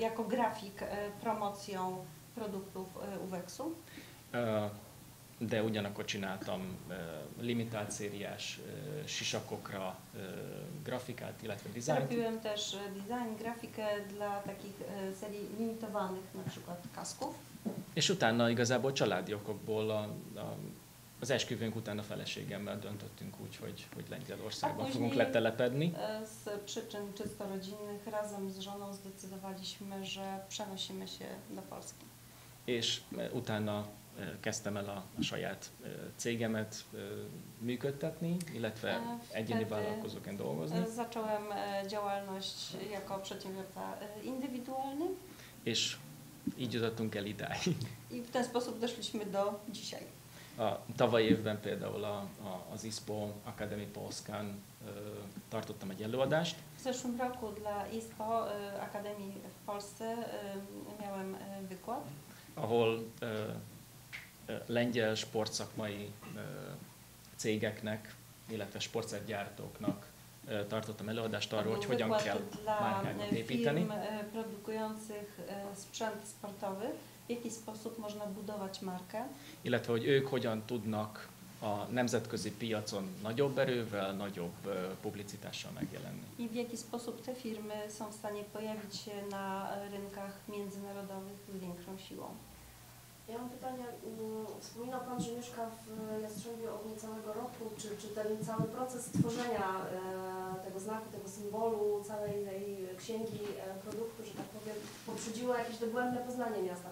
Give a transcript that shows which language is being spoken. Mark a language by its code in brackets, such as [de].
[pl] Jako grafik promocją produktów UVEX-u. [hu] de ugyanakkor csináltam limitált szériás sisakokra grafikát, illetve dizájnt. [pl] Robiłem też design, grafikę dla takich serii limitowanych, na przykład kaszków. [hu] És utána igazából családi okokból az esküvőnk után a feleségemmel döntöttünk úgy, hogy Lengyelországban fogunk letelepedni. [pl] Z przyczyn czysto rodzinnych razem z żoną zdecydowaliśmy, że przenosimy się do Polski. [hu] És utána kezdtem el a saját cégemet működtetni, illetve egyéni vállalkozóként dolgozni. [pl] Zacząłem działalność jako przedsiębiorca indywidualny. [hu] És így jutottunk el idáig. [pl] I w ten sposób doszliśmy do dzisiaj. [hu] A tavaly évben például az ISPO Akademii Polskán tartottam egy előadást. [pl] W zeszłym roku dla ISPO Akademii w Polsce miałem wykład. [hu] Ahol lengyel sportszakmai cégeknek, illetve sportszergyártóknak tartottam előadást arról, hogy hogyan kell márkákat építeni. [pl] Firm produkujących sprzęt sportowy, w jaki sposób można budować markę. [hu] Illetve, hogy ők hogyan tudnak a nemzetközi piacon nagyobb erővel, nagyobb publicitással megjelenni. [pl] I w jaki sposób te firmy są w stanie pojawić się na rynkach międzynarodowych z większą siłą. Ja mam pytanie, wspominał Pan, że mieszka w Jastrzębiu od niecałego roku, czy ten cały proces tworzenia tego znaku, tego symbolu, całej tej księgi produktu, że tak powiem, poprzedziło jakieś dogłębne poznanie miasta?